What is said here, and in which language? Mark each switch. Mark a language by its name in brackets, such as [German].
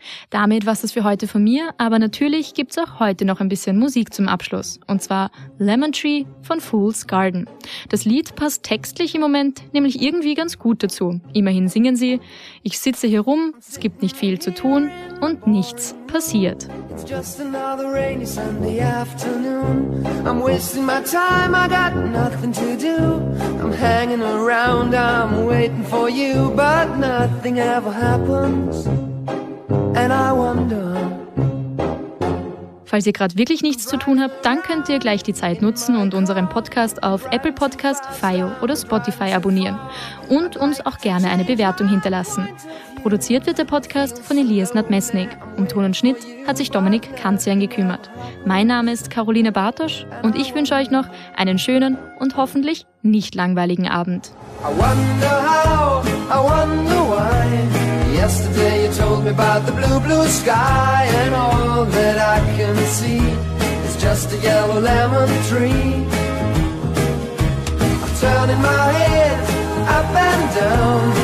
[German] Damit war es für heute von mir, aber natürlich gibt es auch heute noch ein bisschen Musik zum Abschluss. Und zwar Lemon Tree von Fool's Garden. Das Lied passt textlich im Moment nämlich irgendwie ganz gut dazu. Immerhin singen sie, ich sitze hier rum, es gibt nicht viel zu tun und nichts passiert. [English] It's just another rainy Sunday afternoon. I'm wasting my time, I got nothing to do. I'm hanging around, I'm waiting for you, but nothing ever happens. And I wonder. [German] Falls ihr gerade wirklich nichts zu tun habt, dann könnt ihr gleich die Zeit nutzen und unseren Podcast auf Apple Podcast, Fio oder Spotify abonnieren und uns auch gerne eine Bewertung hinterlassen. Produziert wird der Podcast von Elias Nadmesnik. Um Ton und Schnitt hat sich Dominik Kanzian gekümmert. Mein Name ist Caroline Bartosch und ich wünsche euch noch einen schönen und hoffentlich nicht langweiligen Abend. [English] I wonder how, I wonder why. Yesterday you told me about the blue, blue sky, and all that I can see is just a yellow lemon tree. I'm turning my head up and down.